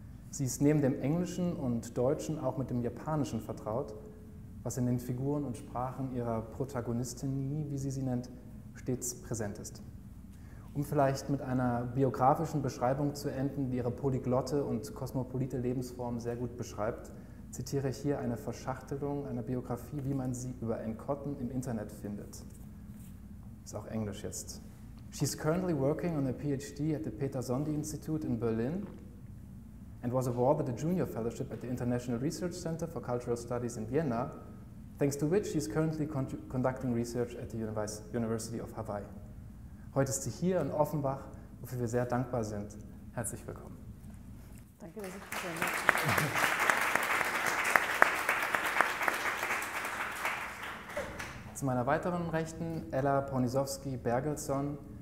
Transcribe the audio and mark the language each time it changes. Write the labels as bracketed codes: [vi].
[de] Sie ist neben dem Englischen und Deutschen auch mit dem Japanischen vertraut, was in den Figuren und Sprachen ihrer Protagonistin, wie sie sie nennt, stets präsent ist. Um vielleicht mit einer biografischen Beschreibung zu enden, die ihre polyglotte und kosmopolite Lebensform sehr gut beschreibt, zitiere ich hier eine Verschachtelung einer Biografie, wie man sie über Ann Cotten im Internet findet. Ist auch Englisch jetzt. [en] She's currently working on a PhD at the Peter Sonde Institute in Berlin and was awarded a junior fellowship at the International Research Center for Cultural Studies in Vienna, thanks to which she's currently conducting research at the University of Hawaii. [de] Heute ist sie hier in Offenbach, wofür wir sehr dankbar sind. Herzlich willkommen. Danke, dass ich hier bin. Zu meiner weiteren Rechten, Ella Ponizovsky Bergelson.